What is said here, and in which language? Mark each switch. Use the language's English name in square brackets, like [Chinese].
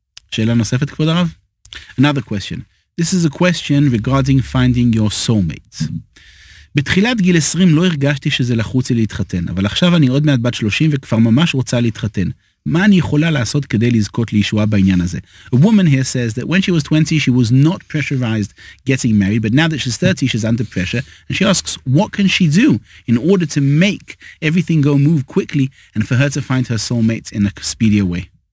[Hebrew] שאלה נוספת כבוד הרב? [English] Another question. This is a question regarding finding your soulmate. [Hebrew] בתחילת גיל 20 לא הרגשתי שזה לחוץ לי להתחתן, אבל עכשיו אני עוד מעט בת 30 וכבר ממש רוצה להתחתן. מה אני יכולה לעשות כדי לזכות לישועה בעניין הזה? [English] A woman here says that when she was 20, she was not pressurized getting married, but now that she's 30, she's under pressure, and she asks, what can she do in order to make everything go move quickly and for her to find her soulmate in a speedier way?